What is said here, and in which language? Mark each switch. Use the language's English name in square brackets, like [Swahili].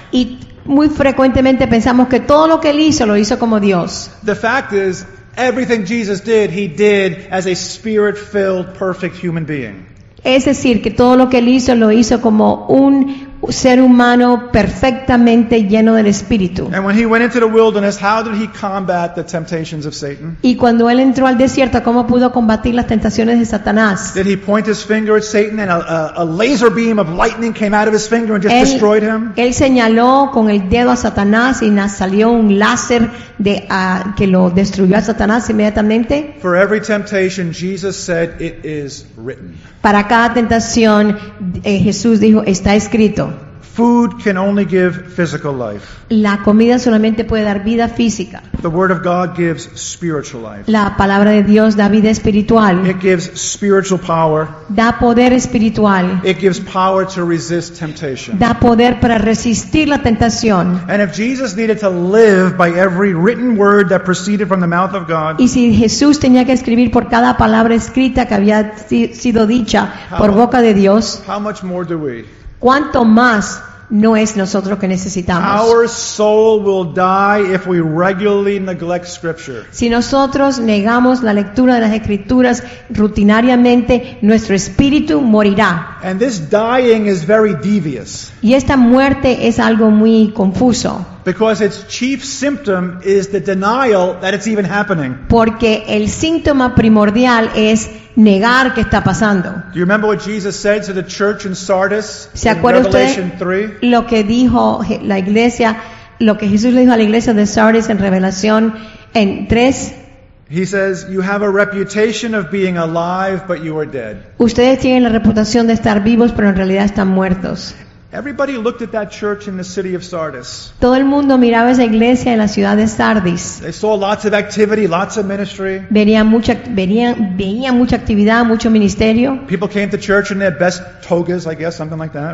[Spanish] Y muy frecuentemente pensamos que todo lo que él hizo, lo hizo como Dios. [English] The fact is, everything Jesus did as a spirit-filled, perfect human being. [Spanish] Es decir, que todo lo que él hizo, lo hizo como un ser humano perfectamente lleno del Espíritu. [English] And when he went into the wilderness, how did he combat the temptations of Satan? [Spanish] Y cuando él entró al desierto, ¿cómo pudo combatir las tentaciones de Satanás? [English] Did he point his finger at Satan and a laser beam of lightning came out of his finger and just destroyed him? [Spanish] Él señaló con el dedo a Satanás y salió un láser de que lo destruyó a Satanás inmediatamente. [English] For every temptation, Jesus said, "It is written." [Spanish] Para cada tentación, Jesús dijo, está escrito. [English] Food can only give physical life. [Spanish] La comida solamente puede dar vida física. [English] The word of God gives spiritual life. [Spanish] La palabra de Dios da vida espiritual. [English] It gives spiritual power. [Spanish] Da poder espiritual. [English] It gives power to resist temptation. [Spanish] Da poder para resistir la tentación. [English] And if Jesus needed to live by every written word that proceeded from the mouth of God, [Spanish] y si Jesús tenía que escribir por cada palabra escrita que había sido dicha por boca de Dios, [English] how much more do we? [Spanish] ¿Cuánto más no es nosotros que necesitamos? [English] Our soul will die if we regularly neglect scripture. [Spanish] Si nosotros negamos la lectura de las escrituras rutinariamente, nuestro espíritu morirá. [English] And this dying is very devious. [Spanish] Y esta muerte es algo muy confuso. [English] Because its chief symptom is the denial that it's even happening. [Spanish] Porque el síntoma primordial es negar que está pasando. [English] Do you remember what Jesus said to the church in Sardis in Revelation 3? [Spanish] Lo que dijo la iglesia, lo que Jesús le dijo a la iglesia de Sardis en Revelación en 3. [English] He says, "You have a reputation of being alive, but you are dead." [Spanish] Ustedes tienen la reputación de estar vivos, pero en realidad están muertos. [English] Everybody looked at that church in the city of Sardis. [Spanish] Todo el mundo miraba esa iglesia en la ciudad de Sardis. [English] They saw lots of activity, lots of ministry. [Spanish] Veía mucha actividad, mucho ministerio. [English] People came to church in their best togas, I guess, something like that.